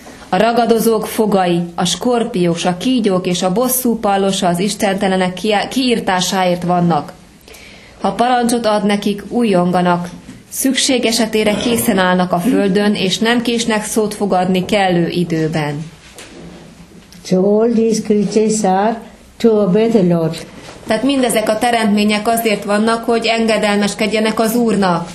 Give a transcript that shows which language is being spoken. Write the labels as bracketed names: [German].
[Hungarian] A ragadozók fogai, a skorpiós, a kígyók és a bosszú pallosa az istentelenek kiirtásáért vannak. Ha parancsot ad nekik, újonganak. Szükség esetére készen állnak a földön, és nem késnek szót fogadni kellő időben. [English] So all these creatures are to obey the Lord. [Hungarian] Tehát mindezek a teremtmények azért vannak, hogy engedelmeskedjenek az Úrnak.